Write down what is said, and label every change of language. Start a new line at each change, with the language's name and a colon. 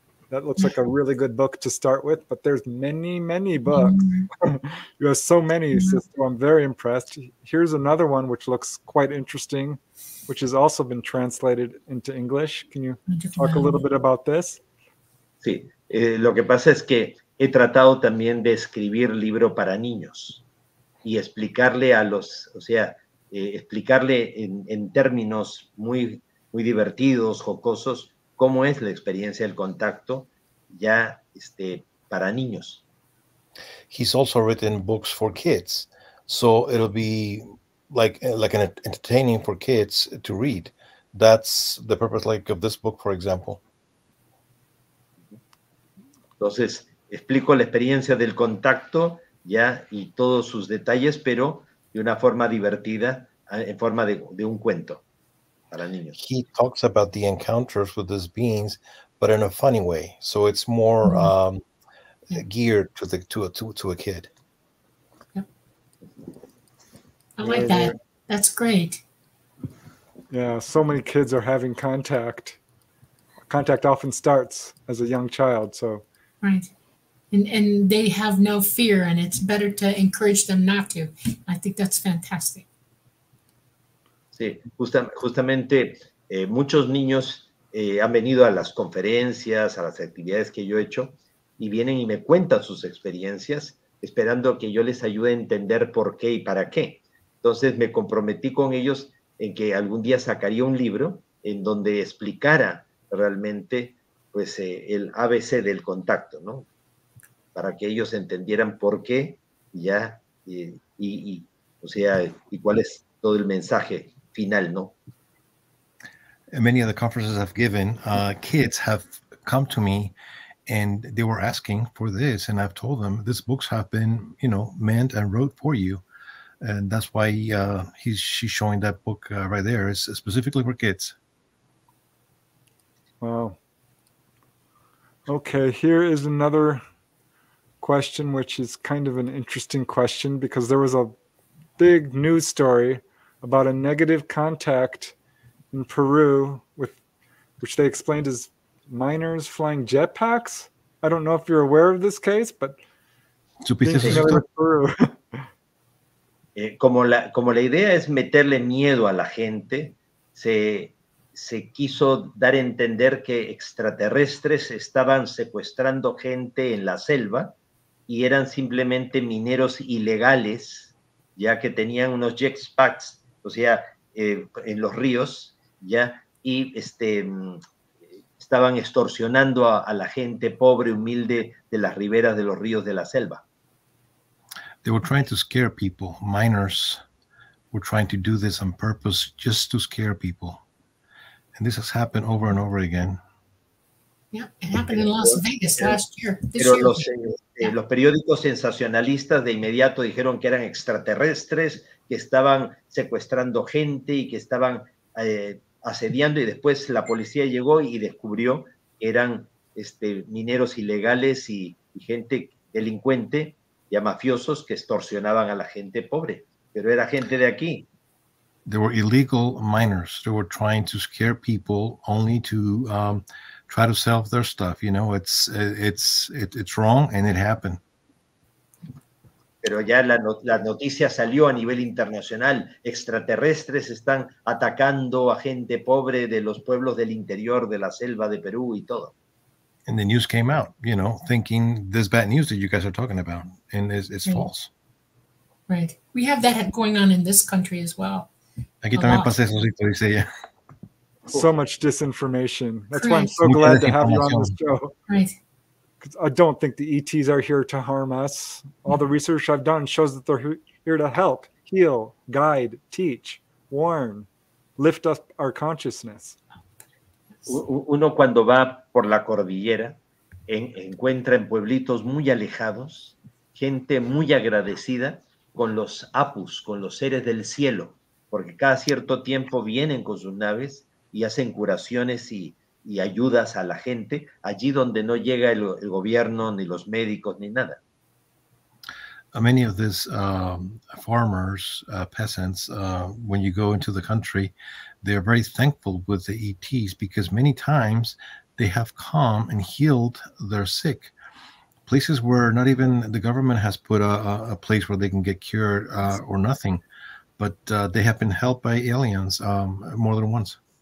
English: That looks like a really good book to start with, but there's many, many books. Mm-hmm. You have so many, mm-hmm. Sisto. I'm very impressed. Here's another one which looks quite interesting, which has also been translated into English. Can you talk a little bit about this?
Spanish: Sí. Lo que pasa es que he tratado también de escribir libro para niños y explicarle a los, o sea, explicarle en términos muy, muy divertidos, jocosos, cómo es la experiencia del contacto ya para niños.
English: He's also written books for kids, so it'll be like an entertaining for kids to read. That's the purpose, like of this book, for example.
Spanish: Entonces explico la experiencia del contacto ya y todos sus detalles, pero de una forma divertida, en forma de un cuento para niños.
English: He talks about the encounters with these beings, but in a funny way, so it's more geared to a kid. Yep. I like that. That's great. Yeah, so many kids are having contact. Contact often starts as a young child, so. Right. And they have no fear, and it's better to encourage them not to. I think that's fantastic.
Spanish: Sí, justamente muchos niños han venido a las conferencias, a las actividades que yo he hecho, y vienen y me cuentan sus experiencias, esperando que yo les ayude a entender por qué y para qué. Entonces me comprometí con ellos en que algún día sacaría un libro en donde explicara realmente pues el ABC del contacto, ¿no? Para que ellos entendieran por qué ya y cuál es todo el mensaje final, ¿no?
English: In many of the conferences I've given, kids have come to me and they were asking for this, and I've told them these books have been, you know, meant and wrote for you, and that's why she's showing that book right there. It's specifically for kids. Wow. Okay, here is another question, which is kind of an interesting question, because there was a big news story about a negative contact in Peru, which they explained as miners flying jetpacks. I don't know if you're aware of this case, but Peru.
Spanish: como la idea es meterle miedo a la gente, se quiso dar a entender que extraterrestres estaban secuestrando gente en la selva y eran simplemente mineros ilegales, ya que tenían unos jetpacks, o sea, en los ríos, ya, y estaban extorsionando a la gente pobre, humilde, de las riberas de los ríos de la selva.
English: They were trying to scare people. Miners were trying to do this on purpose just to scare people. And this has happened over and over again. Yeah, it happened in Las Vegas last year.
Spanish: Los periódicos sensacionalistas de inmediato dijeron que eran extraterrestres, que estaban secuestrando gente y que estaban asediando, y después la policía llegó y descubrió que eran mineros ilegales y gente delincuente, ya mafiosos, que extorsionaban a la gente pobre. Pero era gente de aquí.
English: They were illegal miners. They were trying to scare people only to try to sell their stuff. You know, it's wrong, and it happened.
Spanish: Pero ya la noticia salió a nivel internacional. Extraterrestres están atacando a gente pobre de los pueblos del interior de la selva de Perú y todo.
English: And the news came out, you know, thinking this bad news that you guys are talking about, and it's false. Right. We have that going on in this country as well.
Spanish: Aquí también pasa eso, dice ella.
English: Yeah. so much disinformation. That's why I'm so glad to have you on this show. Right. I don't think the ETs are here to harm us. All the research I've done shows that they're here to help, heal, guide, teach, warn, lift up our consciousness.
Spanish: Uno cuando va por la cordillera encuentra en pueblitos muy alejados gente muy agradecida con los apus, con los seres del cielo, porque cada cierto tiempo vienen con sus naves y hacen curaciones y ayudas a la gente allí donde no llega el gobierno ni los médicos ni nada.
English: Many of these farmers, peasants, when you go into the country, they're very thankful with the ETs because many times they have come and healed their sick. Places where not even the government has put a place where they can get cured or nothing, but they have been helped by aliens more than once.